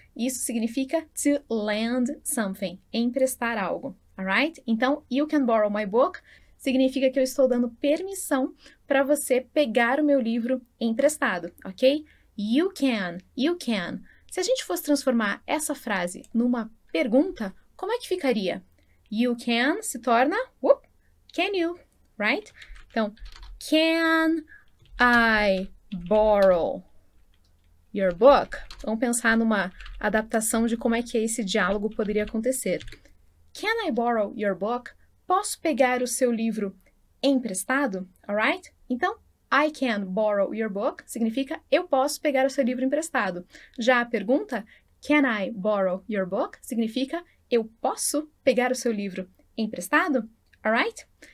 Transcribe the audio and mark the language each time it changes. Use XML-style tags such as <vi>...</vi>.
<pt>Isso significa</pt> <en>to lend something,</en> <pt>emprestar algo.</pt> <en>Alright?</en> <pt>Então,</pt> <en>you can borrow my book</en> <pt>significa que eu estou dando permissão para você pegar o meu livro emprestado, ok?</pt> <en>You can, you can.</en> <pt>Se a gente fosse transformar essa frase numa pergunta, como é que ficaria?</pt> <en>You can</en> <pt>se torna</pt> <en>can you, right?</en> <pt>Então,</pt> <en>can I borrow your book?</en> <pt>Vamos pensar numa adaptação de como é que esse diálogo poderia acontecer.</pt> <en>Can I borrow your book?</en> <pt>Posso pegar o seu livro emprestado?</pt> <en>Alright?</en> <pt>Então,</pt> <en>I can borrow your book</en> <pt>significa eu posso pegar o seu livro emprestado. Já a pergunta,</pt> <en>can I borrow your book?</en> <pt>Significa eu posso pegar o seu livro emprestado?</pt> <en>Alright?</en>